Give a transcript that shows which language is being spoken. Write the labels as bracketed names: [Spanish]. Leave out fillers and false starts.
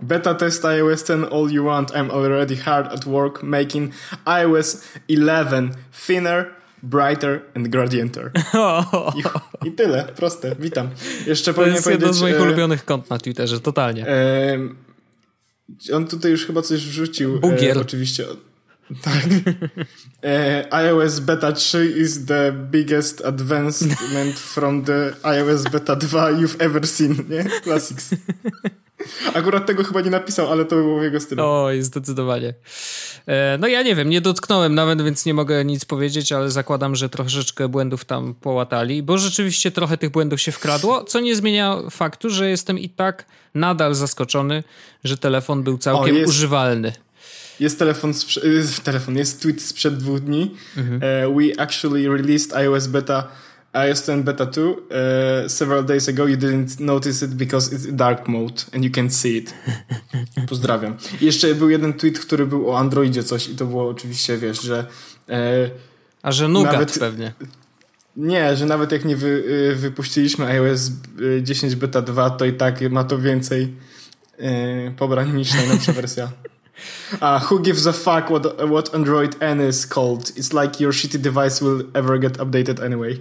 [English] Beta test iOS 10 all you want, I'm already hard at work making iOS 11 thinner, brighter and gradienter. [Polish] I tyle, proste, witam. Jeszcze to jest jedno z moich ulubionych kont na Twitterze, totalnie. On tutaj już chyba coś wrzucił. Bugier. Oczywiście. Tak. [English] iOS beta 3 is the biggest advancement from the iOS beta 2 you've ever seen, nie? Classics. [Polish] Akurat tego chyba nie napisał, ale to było w jego stylu. Oj, zdecydowanie. No ja nie wiem, nie dotknąłem nawet, więc nie mogę nic powiedzieć, ale zakładam, że troszeczkę błędów tam połatali, bo rzeczywiście trochę tych błędów się wkradło, co nie zmienia faktu, że jestem i tak nadal zaskoczony, że telefon był całkiem używalny. Jest telefon, jest tweet sprzed 2 dni. [English] We actually released iOS beta, iOS 10 beta 2, several days ago, you didn't notice it because it's dark mode and you can't see it. [Polish] Pozdrawiam. I jeszcze był jeden tweet, który był o Androidzie coś i to było oczywiście, wiesz, że... A że nugat nawet, pewnie. Nie, że nawet jak nie wypuściliśmy iOS 10 beta 2, to i tak ma to więcej pobrań niż najnowsza wersja. [English] Who gives a fuck what Android N is called? It's like your shitty device will ever get updated anyway.